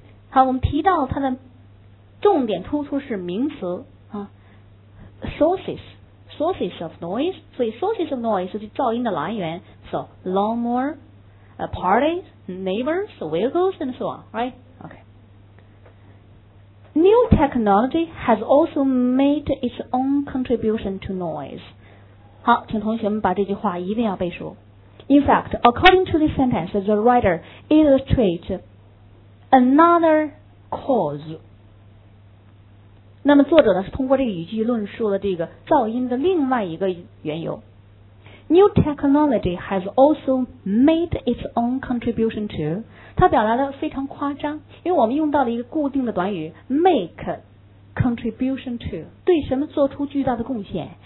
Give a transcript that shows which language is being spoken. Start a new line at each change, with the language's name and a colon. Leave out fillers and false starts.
Chinese: 好，我们提到它的重点突出是名词啊
English: ，sources of noise，
Chinese: 所以
English: sources of noise
Chinese: 是噪音的来源
English: ，so lawnmower, parties, neighbors, vehicles and so on, right? Okay. New technology has also made its own contribution to noise.
Chinese: 好，请同学们把这句话一定要背熟。
English: In fact, according to this sentence, the writer illustrates another cause.
Chinese: 那么作者呢是通过这个语句论述了这个噪音的另外一个缘由。
English: New technology has also made its own contribution to.
Chinese: 它表达的非常夸张，因为我们用到了一个固定的短语 make contribution to， 对什么做出巨大的贡献。